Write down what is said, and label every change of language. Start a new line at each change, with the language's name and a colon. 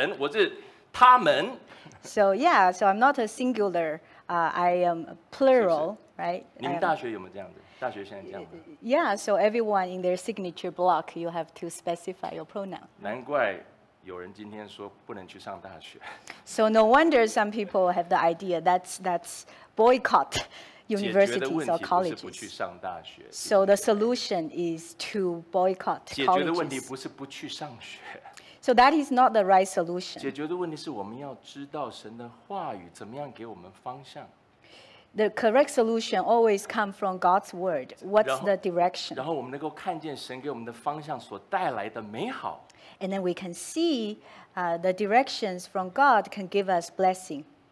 Chinese: 他们，你不，我还不是单数，我是复数的人，我是他们。
English: So yeah, so I'm not a singular. I am a plural,
Chinese: 是不是?
English: Right?
Chinese: 你们大学有没有这样子？大学现在这样子？
English: Yeah, so everyone in their signature block, you have to specify your pronoun.
Chinese: 难怪有人今天说不能去上大学。So
English: no wonder some people have the idea that's boycott universities or colleges.
Chinese: 解决的问题不是不去上大学。So
English: the solution is to boycott colleges.
Chinese: 解决的问题不是不去上学。
English: So that is not the right solution.
Chinese: 解决的问题是我们要知道神的话语怎么样给我们方向。
English: The correct solution always comes from God's word. What's the direction?
Chinese: 然后我们能够看见神给我们的方向所带来的美好。
English: And then we can see the directions from God can give us blessing.